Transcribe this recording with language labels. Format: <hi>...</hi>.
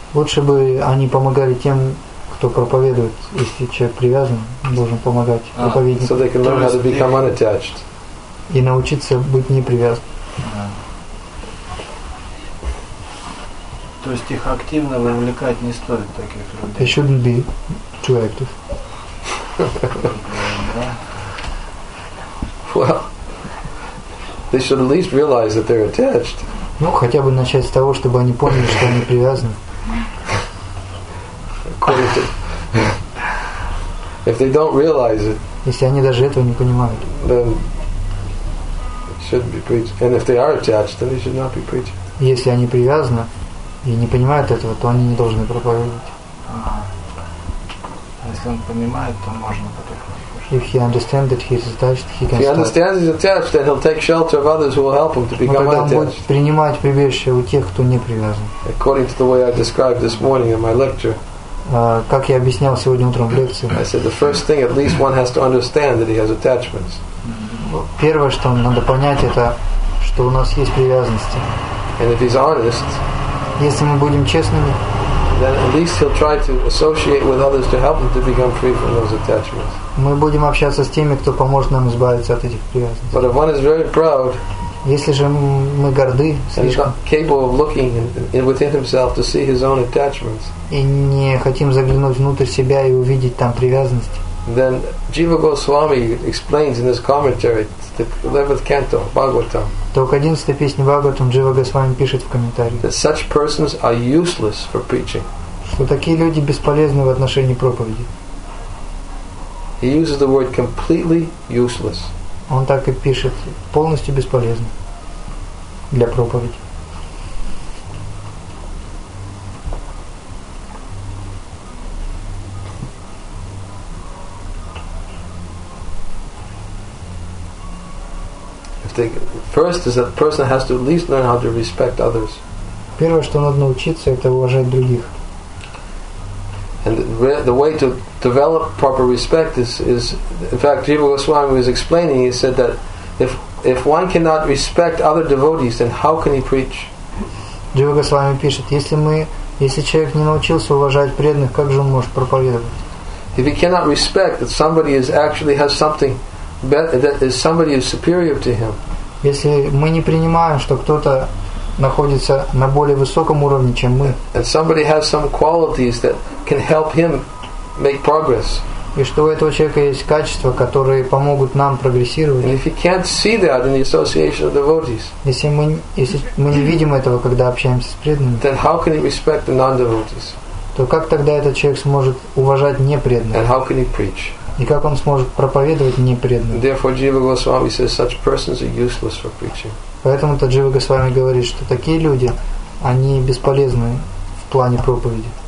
<ru>Лучше бы они помогали тем, кто проповедует, если человек привязан, должен помогать проповеднику.</ru> <en>So they can learn how to become unattached.</en> <ru>И научиться быть непривязанным. Да. То есть их активно вовлекать не стоит таких людей.</ru> <en>They shouldn't be too active. Well, they should at least realize that they're attached.</en> <ru>Ну, хотя бы начать с того, чтобы они поняли, что они привязаны.</ru> <en>If they don't realize it,</en> <ru>если они даже этого не понимают,</ru> <en>then it shouldn't be preached. And if they are attached, then they should not be preached.</en> <ru>Если они привязаны и не понимают этого, то они не должны проповедовать. Если он понимает, то можно потихоньку.</ru> <en>If he understands that he is attached, he can. If he understands he's attached, then he'll take shelter of others who will help him to become attached.</en> <ru>Он будет принимать прибежище у тех, кто не привязан.</ru> <en>According to the way I described this morning in my lecture.</en> <ru>Как я объяснял сегодня утром в лекции.</ru> <en>I said the first thing at least one has to understand that he has attachments.</en> <ru>Первое, что надо понять, это что у нас есть привязанности.</ru> <en>And if he's honest,</en> <ru>если мы будем честными,</ru> <en>then at least he'll try to associate with others to help him to become free from those attachments.</en> <ru>Мы будем общаться с теми, кто поможет нам избавиться от этих привязанностей.</ru> <en>But if one is very proud,</en> <ru>если же мы горды, слишком,</ru> <en>and not capable of looking within himself to see his own attachments,</en> <ru>и не хотим заглянуть внутрь себя и увидеть там привязанности,</ru> <en>then Jiva Goswami explains in his commentary to the 11th canto of Bhagavatam.</en> <ru>То к 11-й песне Бхагаватам Джива Госвами пишет в комментарии.</ru> <en>That such persons are useless for preaching.</en> <ru>Что такие люди бесполезны в отношении проповеди.</ru> <en>He uses the word completely useless.</en> <ru>Он так и пишет, полностью бесполезны для проповеди.</ru> <en>First is that the person has to at least learn how to respect others.</en> <ru>Первое, что надо научиться, это уважать других.</ru> <en>And the way to develop proper respect is in fact, Jiva Goswami was explaining. He said that if one cannot respect other devotees, then how can he preach?</en> <ru>Jiva Goswami пишет, если человек не научился уважать преданных, как же он может проповедовать?</ru> <en>If he cannot respect that somebody is actually has something. That is somebody is superior to him.</en> <ru>Если мы не принимаем, что кто-то находится на более высоком уровне, чем мы.</ru> <en>And somebody has some qualities that can help him make progress.</en> <ru>И что у этого человека есть качества, которые помогут нам прогрессировать.</ru> <en>And if you can't see that in the association of devotees.</en> <ru>Если мы не видим этого, когда общаемся с преданными.</ru> <en>Then how can he respect the non-devotees?</en> <ru>То как тогда этот человек сможет уважать непреданных?</ru> <en>And how can he preach?</en> <ru>И как он сможет проповедовать непреданным?</ru> <en>Therefore, Jiva Goswami says such persons are useless for preaching.</en> <ru>Поэтому Джива Госвами говорит, что такие люди, они бесполезны в плане проповеди.</ru>